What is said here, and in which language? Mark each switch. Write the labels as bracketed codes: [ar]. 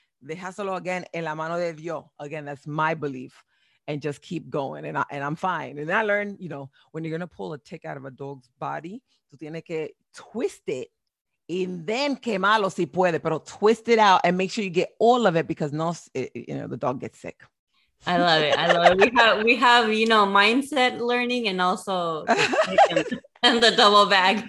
[es] Dejáselo again en la mano de Dios. [en] Again, that's my belief. And just keep going. And I'm fine. And I learned, you know, when you're going to pull a tick out of a dog's body, [es] tú tienes que [en] twist it. And then [es] quemarlo si puede. [en] Pero twist it out and make sure you get all of it because the dog gets sick. I love it. I love it. We have, you know, mindset learning and also and the double bag.